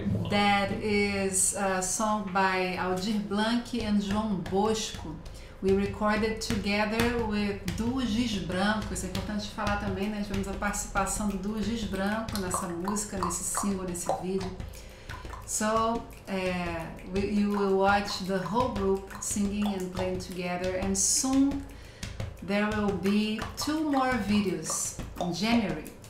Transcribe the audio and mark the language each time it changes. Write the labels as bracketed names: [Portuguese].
[English] That is a song by Aldir Blanc and João Bosco. We recorded together with Duo Giz Branco. [Portuguese] Isso é importante falar também, né? Tivemos a participação do Duo Giz Branco nessa música, nesse single, nesse vídeo. [English] So, you will watch the whole group singing and playing together. And soon, there will be two more videos in January.